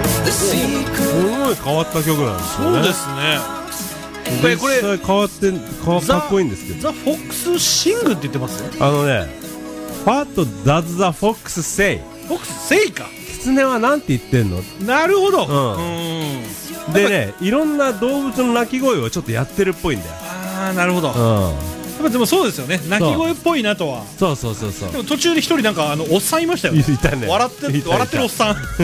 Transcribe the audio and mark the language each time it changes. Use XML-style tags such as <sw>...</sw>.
<ja>すごい変わった曲なんですね。そうですね。これ実際変わってかっこいいんですけど、ザ・フォックス・シングって言ってます。</ja> <en>あのね、What does the fox say?</en> <ja>フォックス・セイか。キツネはなんて言ってんの。なるほど、うん、うん。でね、いろんな動物の鳴き声をちょっとやってるっぽいんだよ。あー、なるほど、うん。でもそうですよね、鳴き声っぽいなとは。そうそうそうそう。でも途中で一人なんかあのおっさんいましたよ。いたね。笑ってるおっさん。</ja>